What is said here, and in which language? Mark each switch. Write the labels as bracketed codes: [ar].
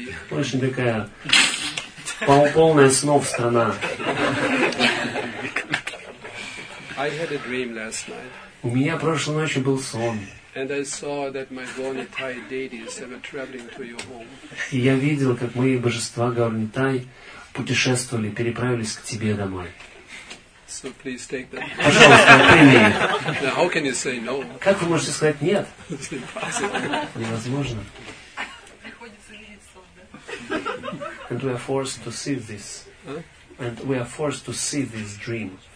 [ru] Очень такая полная снов страна. [en] I had a dream last night. [ru] У меня прошлой ночью был сон. [en] And I saw that my Gornitai deities are traveling to your home. [ru] И я видел, как мои божества Горнитай путешествовали, переправились к тебе домой. [en] So please take that. [ru] Пожалуйста, прими. [en] Now how can you say no? [ru] Как вы можете сказать нет? [en] It's impossible. [ru] Невозможно. Приходится видеть сон, да? [en] And we are forced to see this. Huh? And we are forced to see this dream.